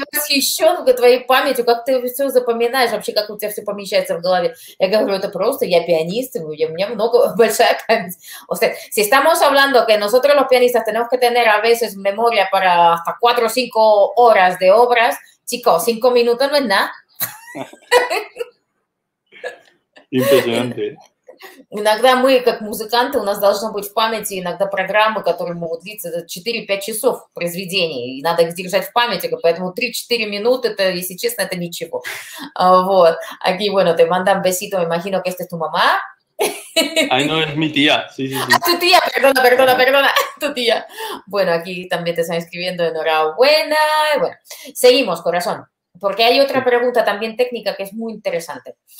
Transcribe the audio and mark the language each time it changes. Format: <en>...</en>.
<ru>восхищен твоей памятью. Как ты все запоминаешь, вообще как у тебя все помещается в голове? Я говорю, это просто, я пианист, у меня много большая память.</ru> <es>O sea, si estamos hablando que nosotros los pianistas tenemos que tener a veces memoria para hasta 4 o 5 horas de obras, chicos, 5 minutos no es nada. Impresionante.</es> <ru>Иногда мы, как музыканты, у нас должно быть в памяти иногда программы, которые могут длиться 4-5 часов произведений, и надо их держать в памяти, поэтому 3-4 минуты, это, если честно, это ничего. Вот.</ru> <es>Aquí, bueno, te mandan besito, me imagino que esta es tu mamá. Ay, no, es mi tía. Sí, Ah, tu tía, perdona, perdona, perdona, tu tía. Bueno, aquí también te están escribiendo enhorabuena. Bueno, seguimos, corazón, porque hay otra pregunta también técnica que es muy interesante.</es>